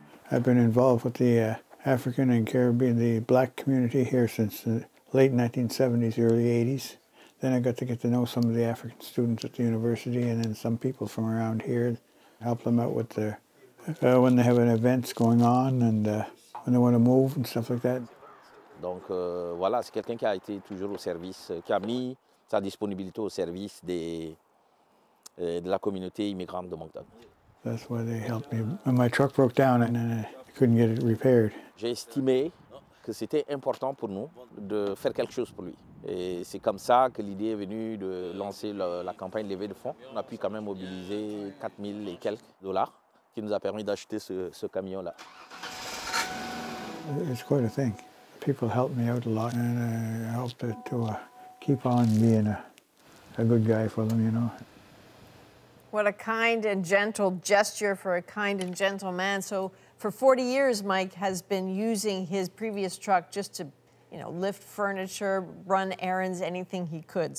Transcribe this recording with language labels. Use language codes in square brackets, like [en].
[en] I've been involved with the African and Caribbean, the black community here since the late 1970s, early 80s. Then I got to get to know some of the African students at the university and then some people from around here. Help them out with their, when they have an event going on and when they want to move and stuff like that. [fr] Donc voilà, c'est quelqu'un qui a été toujours au service, qui a mis sa disponibilité au service des de la communauté immigrante de Moncton. [en] That's why they helped me. When my truck broke down and I couldn't get it repaired. [fr] J'ai estimé que c'était important pour nous de faire quelque chose pour lui. Et c'est comme ça que l'idée est venue de lancer la campagne de levée de fonds. On a pu quand même mobiliser 4 000 et quelques dollars qui nous a permis d'acheter ce camion-là. [en] It's quite a thing. People help me out a lot and help to keep on being a good guy for them, you know. What a kind and gentle gesture for a kind and gentle man. So for 40 years, Mike has been using his previous truck just to, you know, lift furniture, run errands, anything he could.